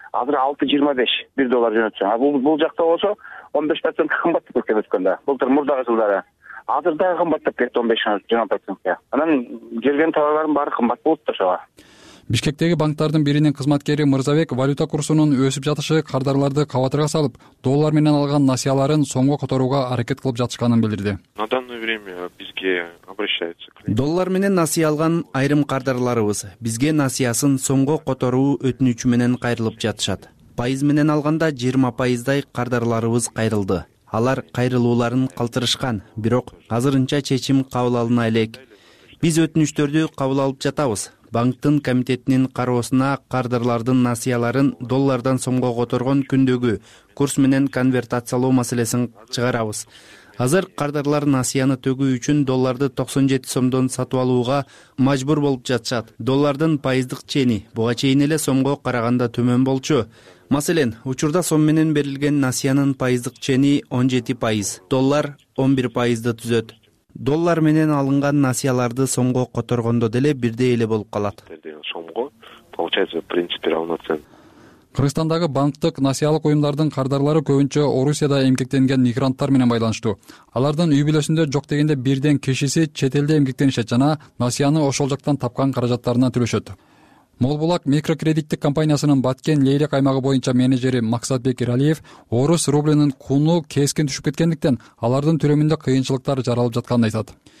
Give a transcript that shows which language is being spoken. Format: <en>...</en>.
<ky>Азыр 6.25 1 доллар жөнөтсөң. Бул жакта болсо 15% кымбаттап кеткен өткөндө. Былтыр мурдагы жылдары. Азыр дагы кымбаттап кетти 15-20%. Анан келген товарлардын баары кымбат болот да ошого. Бишкектеги банктардын биринин кызматкери Мырзабек валюта курсунун өсүп жатышы кардарларды кабатырга салып, доллар менен алган насыяларын сомго которууга аракет кылып жатышканын билдирди.</ky> <ru>На данное время</ru> <ky>бизге</ky> <ru>обращаются.</ru> <ky>Доллар менен насыя алган айрым кардарларыбыз бизге насыясын сомго которуу өтүнүчү менен кайрылып жатышат. Пайыз менен алганда 20% кардарларыбыз кайрылды. Алар кайрылууларын калтырышкан, бирок азырынча чечим кабыл алына элек. Биз өтүнүчтөрдү кабыл алып жатабыз. Банктын комитетинин кароосуна кардарлардын насыяларын доллардан сомго которгон күндөгү курс менен конвертациялоо маселесин чыгарабыз. Азыр кардарлар насыяны төгүү үчүн долларды 97 сомдон сатып алууга мажбур болуп жатышат. Доллардын пайыздык чени буга чейин эле сомго караганда төмөн болчу. Маселен, учурда сом менен берилген насыянын пайыздык чени 17%, доллар 11% түзөт. Доллар менен алынган насыяларды сомго которгондо деле бирдей эле болуп калат. Сомго</ky> <ru>получается в принципе равноценно.</ru> <ky>Кыргызстандагы банктык насыялык уюмдардын кардарлары көбүнчө Орусияда эмгектенген мигранттар менен байланыштуу. Алардын үй бүлөсүндө жок дегенде бирден кишиси чет элде эмгектенишет жана насыяны ошол жактан тапкан каражаттарынан төлөшөт. Молбулак микрокредиттик компаниясынын Баткен Лейлек аймагы боюнча менеджери Максатбек Иралиев орус рублинин куну кескин түшүп кеткендиктен алардын төлөмүндө кыйынчылыктар жаралып жатканын айтат.</ky>